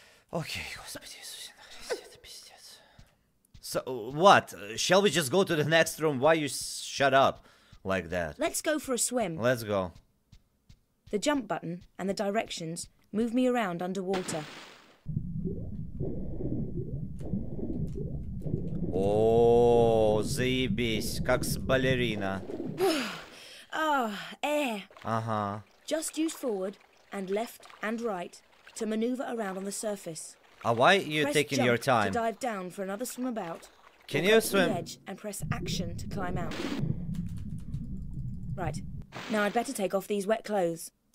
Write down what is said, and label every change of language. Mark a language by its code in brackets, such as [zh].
[ru] Окей, господи, Иисусе на Христе, это пиздец. [en] So, what? Shall we just go to the next room? Why you shut up like that? Let's go for a swim. Let's go. The jump button and the directions move me around underwater. [ru] Оооо, заебись, как с балерина. [en] Ah, air. Uh-huh. Just use forward and left and right to maneuver around on the surface. Why are you press taking your time? To dive down for another swim about. Can you swim? Edge and press action to climb out. Right. Now I'd better take off these wet clothes.